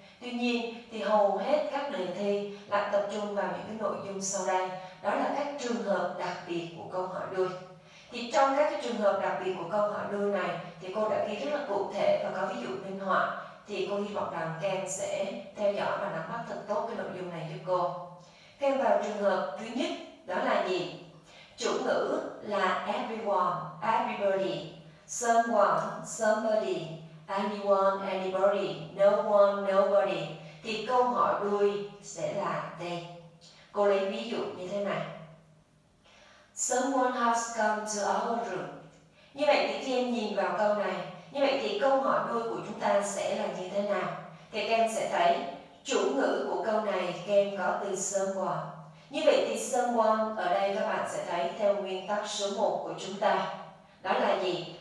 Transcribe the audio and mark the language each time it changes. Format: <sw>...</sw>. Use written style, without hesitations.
<vi>Tuy nhiên thì hầu hết các đề thi lại tập trung vào những cái nội dung sau đây, đó là các trường hợp đặc biệt của câu hỏi đuôi. Thì trong các cái trường hợp đặc biệt của câu hỏi đuôi này thì cô đã ghi rất là cụ thể và có ví dụ minh họa, thì cô hy vọng rằng các em sẽ theo dõi và nắm bắt thật tốt cái nội dung này giúp cô. Thêm vào trường hợp thứ nhất đó là gì? Chủ ngữ là everyone, everybody, someone, somebody, anyone, anybody, no one, nobody. Thì câu hỏi đuôi sẽ là they. Cô lấy ví dụ như thế này.</vi> <en>Someone has come to our room.</en> <vi>Như vậy thì khi em nhìn vào câu này, như vậy thì câu hỏi đuôi của chúng ta sẽ là như thế nào? Thì các em sẽ thấy chủ ngữ của câu này các em có từ someone. Như vậy thì someone ở đây các bạn sẽ thấy theo nguyên tắc số 1 của chúng ta, đó là gì?</vi>